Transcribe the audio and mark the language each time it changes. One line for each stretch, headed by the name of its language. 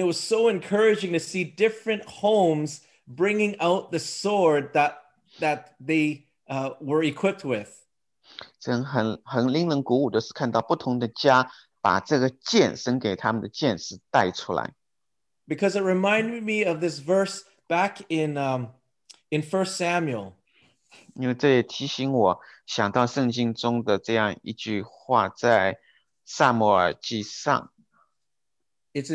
English: it was so encouraging to see different homes bringing out the sword that they were equipped with.
Chinese: 真很令人鼓舞的是看到不同的家 把这个剑神给他们的剑是带出来。Because
English: it reminded me of this verse back in 1 Samuel.
Chinese: 因为这也提醒我想到圣经中的这样一句话在撒母耳记上。It's